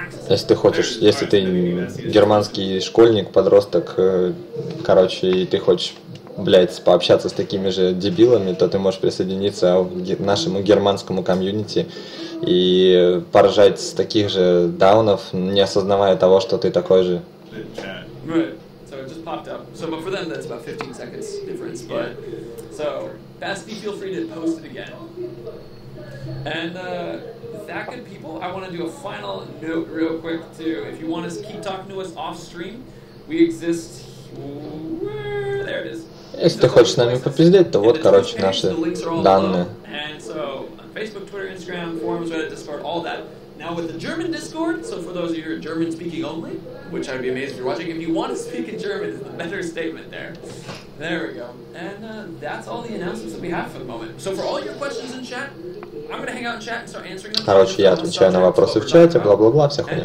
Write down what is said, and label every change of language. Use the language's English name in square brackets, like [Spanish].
[Russian] Если ты хочешь, если ты германский школьник, подросток, короче, и ты хочешь... Блять, пообщаться с такими же дебилами, то ты можешь присоединиться к нашему германскому комьюнити и поржать с таких же даунов, не осознавая того, что ты такой же. [English] Right. So it just popped up. So but for them that's about 15 seconds difference. But yeah. So Basti, feel free to post it again. And that good people, I want to do a final note real quick too. If you want to keep talking to us off stream, we exist where... there it is. [Russian] Если ты хочешь с нами попиздеть, то вот, короче, наши данные. [English] So, Facebook, Twitter, Instagram, forums, Reddit, Discord, all that. Now with the German Discord, so for those of you who are German speaking only, which I'd be amazed if you're watching, if you want to speak in German, it's the better statement there. There we go. And that's all the announcements that we have for the moment. So for all your questions in chat, I'm going to hang out in chat and start answering them. [Russian] Короче, я отвечаю на вопросы в чате, бла-бла-бла, вся хуйня.